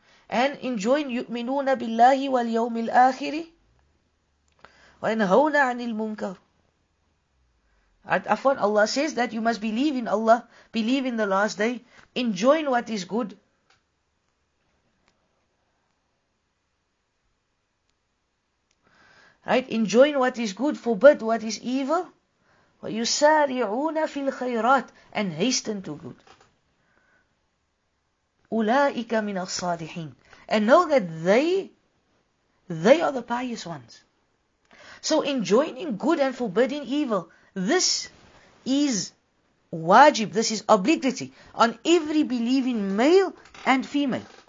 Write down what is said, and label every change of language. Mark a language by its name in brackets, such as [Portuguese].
[English] And enjoin [Arabic] يؤمنون بالله واليوم الآخر وينهون عن المنكر. [English] At Afwan, Allah says that you must believe in Allah, believe in the last day, enjoin what is good. Right? Enjoin what is good, forbid what is evil. [Arabic] ويسارعون في الخيرات [English] and hasten to good. [Arabic] أولئك من الصالحين. [English] And know that they are the pious ones. So enjoining good and forbidding evil, this is wajib, this is obligatory on every believing male and female.